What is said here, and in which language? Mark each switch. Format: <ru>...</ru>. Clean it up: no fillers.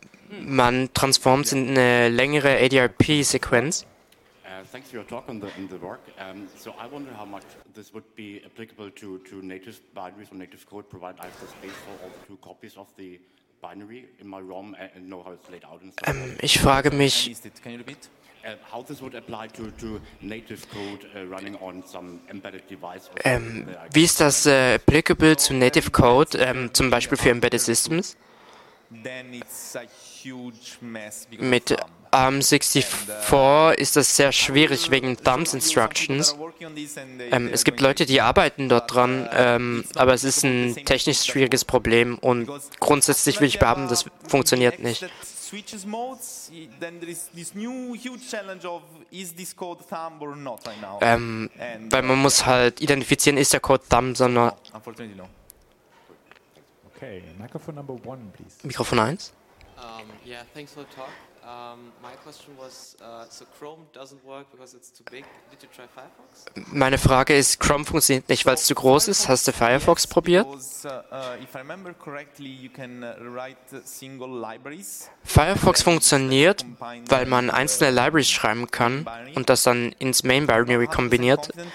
<de>Man transformt es in eine längere ADRP-Sequenz.</de> <en>Thanks for your talk and the work. So I wonder how much this would be applicable to native binaries or native code, provide I have the space for all the two copies of the binary in my ROM and know how it's laid out and stuff.</en> <de>Ich frage mich,</de> <en>How this would apply to native code running on some embedded device.</en> <de>Wie ist das applicable zu native code, zum Beispiel für embedded systems?</de> <en>Then it's a huge mess.</en> <de>Mit ARM64 ist das sehr schwierig wegen Thumbs Instructions. Es gibt Leute, die arbeiten dort dran, aber es ist ein technisch schwieriges Problem, und grundsätzlich will ich behaupten, das funktioniert nicht.</de> <en>Switches modes, then there is this new huge challenge of is this code thumb or not right now.</en> <de>Weil man muss halt identifizieren, ist der Code thumb, sondern...</de> <en>Okay, Mikrofon number one, please.</en> <de>Mikrofon 1.</de> <en>Yeah, thanks for the talk. My question was, so Chrome doesn't work because it's too big. Did you try Firefox?</en> <de>Meine Frage ist, Chrome funktioniert nicht, weil es zu groß ist. Hast du Firefox probiert?</de> <en>If I remember correctly, you can write single libraries.</en> <de>Firefox funktioniert, weil man einzelne Libraries schreiben kann und das dann ins Main Binary kombiniert.</de>